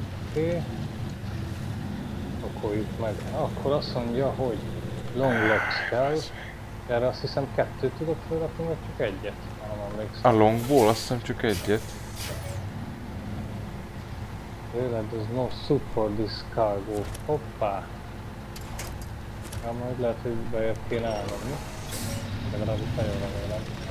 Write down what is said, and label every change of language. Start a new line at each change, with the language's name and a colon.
Hungarian: Oké. Okoljuk meg. Akkor azt mondja, hogy long locks kell. Erre azt hiszem kettőt tudok felrakni, vagy csak egyet. Nem emlékszem. A longból azt hiszem csak egyet.
English: Really, there's no suit for this cargo.
Hungarian: Hoppá! Ja, majd lehet, hogy bejött kéne állni. De legalábbis nagyon remélem.